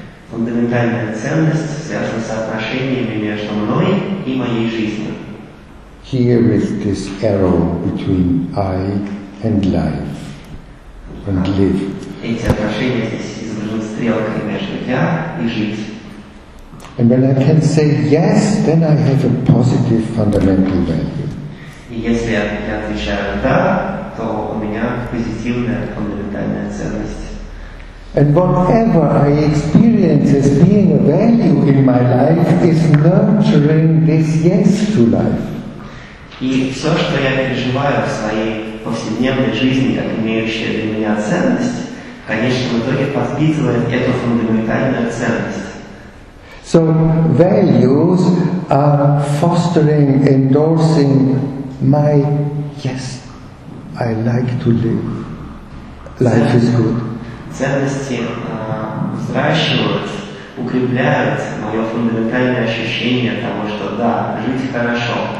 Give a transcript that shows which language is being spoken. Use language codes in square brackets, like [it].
[ru] Фундаментальная ценность связана с отношениями между мной и моей жизнью. [en] Here is this arrow between I and life and live. [ru] Эти отношения здесь изображены стрелкой между я и жизнью. [en] And when I can say yes, then I have a positive fundamental value. [ru] И если я отвечаю да, то у меня позитивная фундаментальная ценность. [en] And whatever I experience as being a value in my life is nurturing this yes to life. [ru] И все, что я переживаю в своей повседневной жизни, как имеющая для меня ценность, конечно, в итоге подпитывает эту фундаментальную ценность. [en] So values are fostering, endorsing my yes, I like to live. Life is good. [ru] Ценности взращивают, укрепляют мое фундаментальное ощущение того, что да, жить хорошо.